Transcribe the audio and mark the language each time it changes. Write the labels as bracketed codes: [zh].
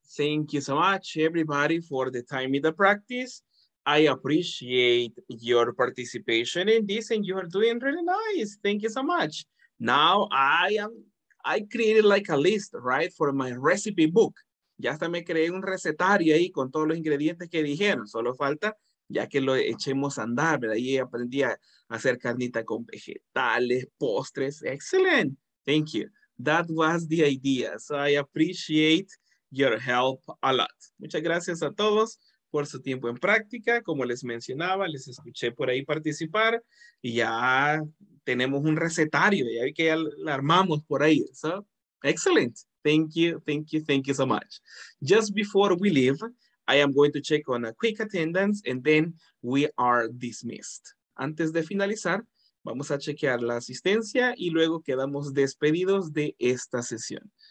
[en] Thank you so much, everybody, for the time in the practice. I appreciate your participation in this, and you are doing really nice. Thank you so much. Now I am I created like a list, right, for my recipe book. [es] Ya hasta me creé un recetario ahí con todos los ingredientes que dijeron. Solo falta ya que lo echemos a andar, ¿verdad? Ahí aprendí a hacer carnita con vegetales, postres. [en] Excellent. Thank you. That was the idea. So I appreciate your help a lot. [es] Muchas gracias a todos por su tiempo en práctica. Como les mencionaba, les escuché por ahí participar y ya tenemos un recetario. Ya vi que ya lo armamos por ahí. [en] So, excellent. Thank you, thank you, thank you so much. Just before we leave, I am going to check on a quick attendance and then we are dismissed. [es] Antes de finalizar, vamos a chequear la asistencia y luego quedamos despedidos de esta sesión.